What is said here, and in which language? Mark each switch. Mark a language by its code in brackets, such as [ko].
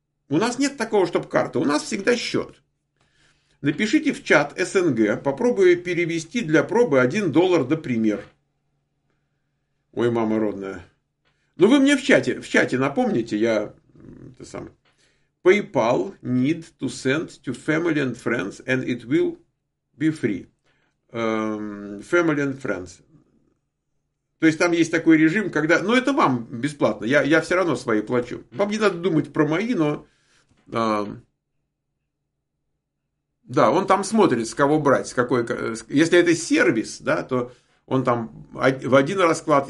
[ru] У нас нет такого, чтобы карта, у нас всегда счет. Напишите в чат СНГ, попробую перевести для пробы $1, например. Ой, мама родная. Ну, вы мне в чате напомните, я это сам. [en] PayPal need to send to family and friends, and it will be free. Family and friends. [ru] То есть, там есть такой режим, когда... Ну, это вам бесплатно. Я все равно свои плачу. Вам не надо думать про мои, но... Да, он там смотрит, с кого брать. Если это сервис, да, то он там в один расклад.